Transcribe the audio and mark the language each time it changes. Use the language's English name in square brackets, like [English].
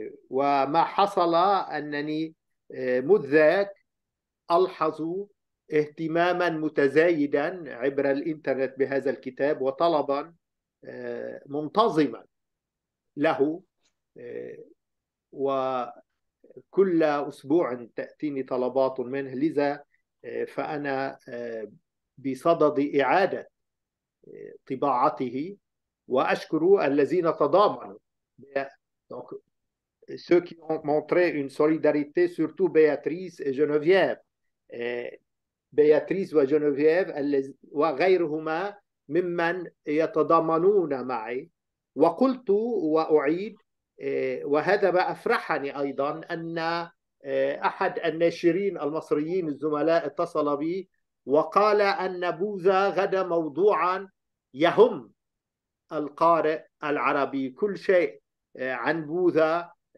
[Arabic] وما حصل أنني مذ ذاك ألحظ اهتماما متزايدا عبر الإنترنت بهذا الكتاب، وطلبا منتظما له، وكل أسبوع تأتيني طلبات منه، لذا فأنا بصدد إعادة طباعته، وأشكر الذين تضامنوا. [French] Ceux qui ont montré une solidarité, surtout Béatrice et Geneviève. [Arabic] Béatrice et Geneviève, وغيرهما ممن يتضامنون معي. وقلت وأعيد، وهذا ما أفرحني أيضا، أن أحد الناشرين المصريين الزملاء اتصل بي وقال أن بوذا غدا موضوعا يهم القارئ العربي، كل شيء عن بوذا